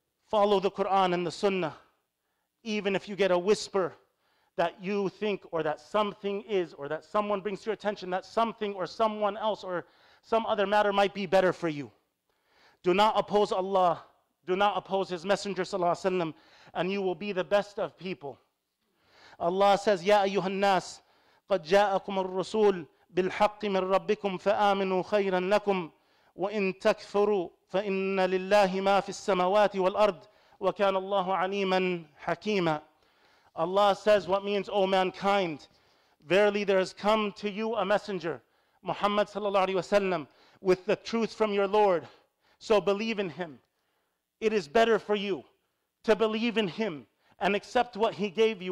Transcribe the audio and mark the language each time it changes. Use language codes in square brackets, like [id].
[en] Follow the Quran and the Sunnah. Even if you get a whisper that you think or that something is or that someone brings to your attention that something or someone else or some other matter might be better for you. Do not oppose Allah. Do not oppose His Messenger, [ar] sallallahu alaihi wasallam, [en] and you will be the best of people. Allah says, [ar] Ya ayyuha an-nas, قَدْ جَاءَكُمُ الرَّسُولُ بِالْحَقِّ مِنْ رَبِّكُمْ فَآمِنُوا خَيْرًا لَكُمْ وَإِنْ تَكْفُرُوا فَإِنَّ لِلَّهِ مَا فِي السَّمَوَاتِ وَالْأَرْضِ وَكَانَ اللَّهُ عَلِيمًا حَكِيمًا. [en] Allah says, what means, O mankind, verily there has come to you a messenger, Muhammad [ar] sallallahu alayhi wa sallam, [en] with the truth from your Lord. So believe in him. It is better for you to believe in him and accept what he gave you.